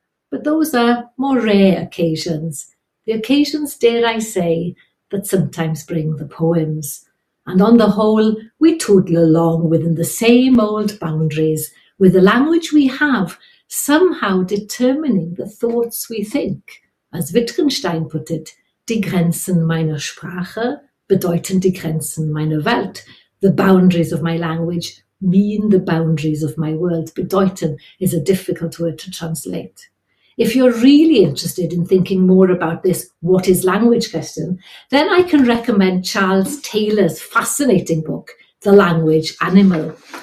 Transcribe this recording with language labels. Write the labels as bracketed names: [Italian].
[English] But those are more rare occasions. The occasions, dare I say, that sometimes bring the poems. And on the whole, we toddle along within the same old boundaries, with the language we have somehow determining the thoughts we think. As Wittgenstein put it, [German] die Grenzen meiner Sprache bedeuten die Grenzen meiner Welt. [English] The boundaries of my language mean the boundaries of my world. Bedeuten is a difficult word to translate. If you're really interested in thinking more about this what is language question, then I can recommend Charles Taylor's fascinating book, The Language Animal.